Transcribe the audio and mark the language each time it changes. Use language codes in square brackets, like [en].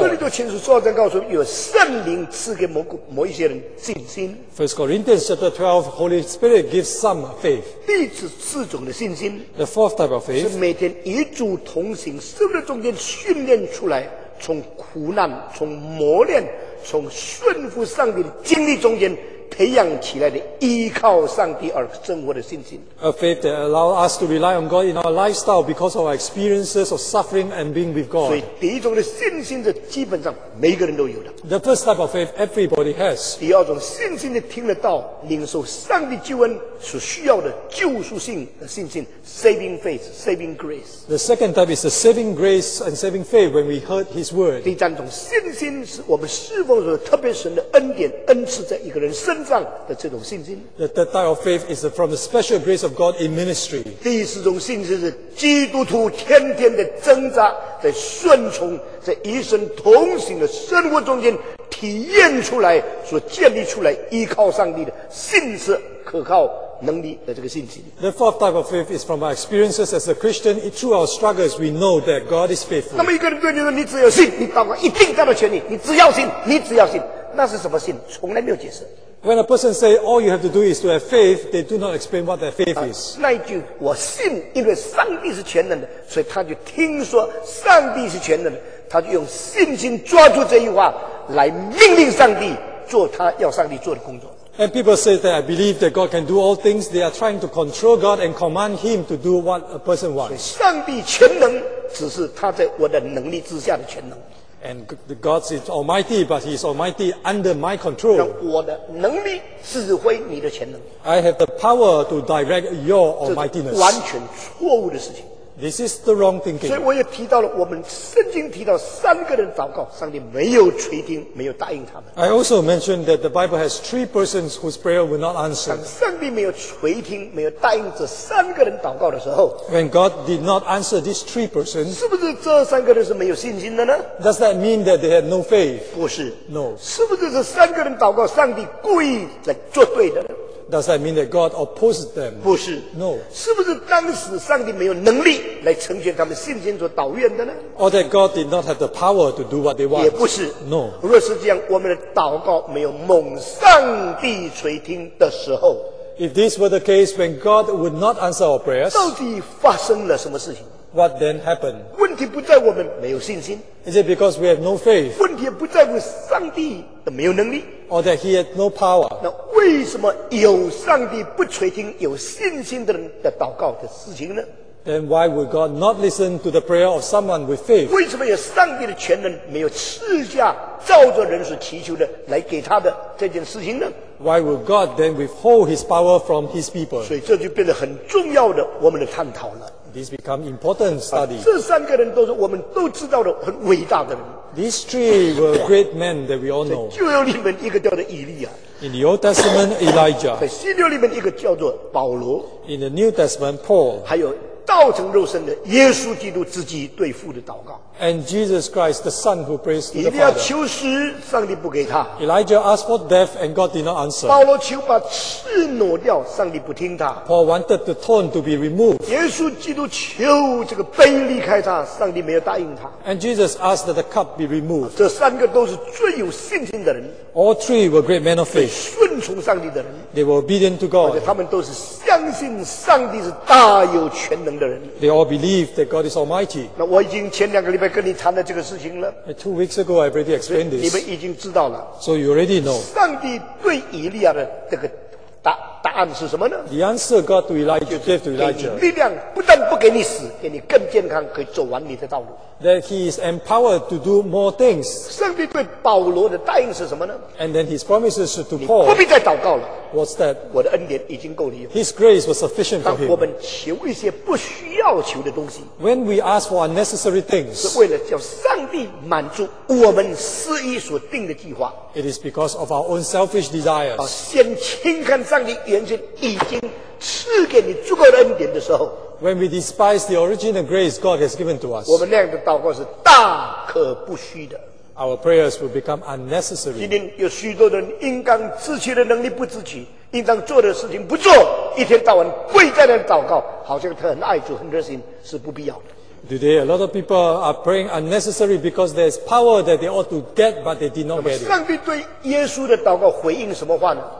[zh] 哥林多前书十二章告诉我们，有圣灵赐给某一些人信心。 [en] First Corinthians chapter 12, Holy Spirit gives some faith. [zh] 第四种的信心， [en] the fourth type of faith, [zh] 是每天与主同行，是不是中间训练出来从苦难、从磨练、从顺服上帝的经历中间培养起来的依靠上帝而生活的信心。 [en] A faith that allows us to rely on God in our lifestyle because of our experiences of suffering and being with God. [zh] 所以第一种的信心是基本上每个人都有的。 [en] The first type of faith everybody has. [zh] 第二种信心的听得到、领受上帝救恩所需要的救赎性的信心 ， [en] saving faith, saving grace. The second type is the saving grace and saving faith when we heard His word. [zh] 第三种信心是我们侍奉时特别神的恩典恩赐在一个人身上的这种信心。 [en] The third type of faith is from the special grace of God in ministry. [zh] 第四种信心是基督徒天天的挣扎，在顺从，在与神同行的生活中间体验出来，所建立出来依靠上帝的信实可靠能力的这个信心。 [en] The fourth type of faith is from our experiences as a Christian. Through our struggles, we know that God is faithful. [zh] 那么一个人对你说：“你只要信，你祷告一定得到权利。你只要信，你只要信。” 那是什么信？从来没有解释。 [en] When a person says all you have to do is to have faith, they do not explain what their faith is. [zh] 那一句我信，因为上帝是全能的，所以他就听说上帝是全能的，他就用信心抓住这句话来命令上帝做他要上帝做的工作。 [en] And people say that I believe that God can do all things. They are trying to control God and command Him to do what a person wants. [zh] 所以上帝全能只是他在我的能力之下的全能。 [en] And God is almighty, but He is almighty under my control. [zh] 让我的能力指挥你的全能。 [en] I have the power to direct your almightiness. [zh] 完全错误的事情。 [en] This is the wrong thinking. [zh] 所以我也提到了，我们圣经提到三个人祷告，上帝没有垂听，没有答应他们。 [en] I also mentioned that the Bible has three persons whose prayer will not answer. [zh] 当上帝没有垂听，没有答应这三个人祷告的时候 [en] ，When God did not answer these three persons, [zh] 是不是这三个人是没有信心的呢 [en] ？Does that mean that they had no faith? [zh] 不是 [en] ，No. [zh] 是不是这三个人祷告，上帝故意来作对的呢？ [en] Does that mean that God opposes them? [zh] 不是。 [en] No. [zh] 是不是当时上帝没有能力来成全他们信心所祷愿的呢？ [en] Or that God did not have the power to do what they want? [zh] 也不是。 [en] No. [zh] 若是这样，我们的祷告没有蒙上帝垂听的时候， [en] If this were the case, when God would not answer our prayers, [zh] 到底发生了什么事情？ [en] What then happened? [zh] 问题不在我们没有信心。 [en] Is it because we have no faith? [zh] 问题不在乎上帝的没有能力。 [en] Or that He had no power. [zh] 那为什么有上帝不垂听有信心的人的祷告的事情呢？ [en] Then why would God not listen to the prayer of someone with faith? [zh] 为什么有上帝的全能没有赐下照着人所祈求的来给他的这件事情呢？ [en] Why would God then withhold His power from His people? [zh] 所以这就变得很重要的我们的探讨了。 [en] This become important study. [zh] 这三个人都是我们都知道的很伟大的人。 [en] These three were great men that we all know. [zh] 在旧约里面一个叫做以利亚。 [en] In the Old Testament, Elijah. [zh] 在新约里面一个叫做保罗。 [en] In the New Testament, Paul. [zh] 还有道成肉身的耶稣基督自己对父的祷告。 [en] And Jesus Christ, the Son who prays to the Father. [zh] 以利亚求死，上帝不给他。 [en] Elijah asked for death, and God did not answer. [zh] 保罗求把刺挪掉，上帝不听他。 [en] Paul wanted the thorn to be removed. [zh] 耶稣基督求这个杯离开他，上帝没有答应他。 [en] And Jesus asked that the cup be removed. [zh] 这三个都是最有信心的人。 [en] All three were great men of faith. [zh] 顺从上帝的人。 [en] They were obedient to God. [zh] 而且他们都是相信上帝是大有全能的人。 [en] They all believe that God is almighty. [zh] 那我已经前两个礼拜跟你谈了这个事情了。 [en] Two weeks ago, I already explained this. [zh] 你们已经知道了。 [en] So you already know. [zh] 上帝对以利亚的这个答案是什么呢？ [en] The answer God to Elijah, gave to Elijah. [zh] 给你力量，不但不给你死，给你更健康，可以走完你的道路。 [en] That he is empowered to do more things. [zh] 上帝对保罗的答应是什么呢？ [en] And then his promises to Paul. [zh] 你不必再祷告了。 [en] What's that? [zh] 我的恩典已经够你用。 [en] His grace was sufficient for him. [zh] 当我们求一些不需要求的东西。 [en] When we ask for unnecessary things. [zh] 是为了叫上帝满足我们私欲所定的计划。 [en] It is because of our own selfish desires. [zh] 先轻看上帝原先已经赐给你足够的恩典的时候。 [en] When we despise the original grace God has given to us, [zh] 我们那样的祷告是大可不虚的。 [en] Our prayers will become unnecessary. [zh] 今天有许多人应当自取的能力不自取，应当做的事情不做，一天到晚跪在那祷告，好像他很爱主、很热心，是不必要的。 [en] Today, a lot of people are praying unnecessary because there's power that they ought to get, but they did not get it. [zh] 那么上帝对耶稣的祷告回应什么话呢？